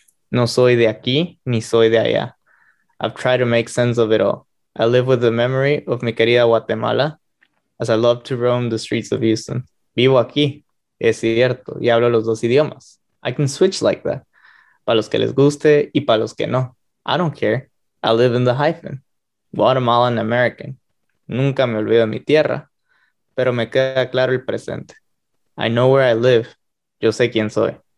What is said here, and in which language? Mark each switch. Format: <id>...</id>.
<es>No soy de aquí ni soy de allá.</es> <en>I've tried to make sense of it all. I live with the memory of</en> <es>mi querida</es> <en>Guatemala as I love to roam the streets of Houston.</en> <es>Vivo aquí, es cierto, y hablo los dos idiomas.</es> <en>I can switch like that.</en> <es>Para los que les guste y para los que no.</es> <en>I don't care. I live in the hyphen. Guatemalan American.</en> <es>Nunca me olvido de mi tierra, pero me queda claro el presente.</es> <en>I know where I live.</en> <es>Yo sé quién soy.</es>